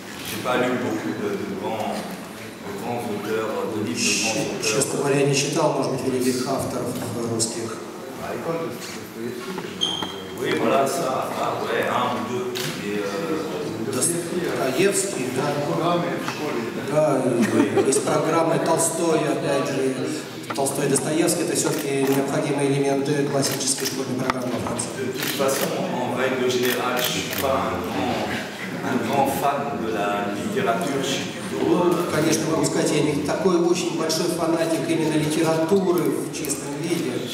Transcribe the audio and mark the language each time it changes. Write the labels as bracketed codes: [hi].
[fr] J'ai pas lu beaucoup de grands auteurs de livres de grands auteurs. [ru] Честно говоря, я не читал, может быть, великих авторов русских. А и как? [fr] Oui, voilà ça. Ah ouais, un ou deux. [ru] Достоевский, да. Программы в школе. Да, из программы Толстой, опять же. Толстой и Достоевский – это все-таки необходимые элементы классической школьной программы во Франции. [fr] De toute façon, en règle générale, je suis pas un grand fan de la littérature. [ru] Конечно, могу сказать, я не такой очень большой фанатик именно литературы в чистом виде.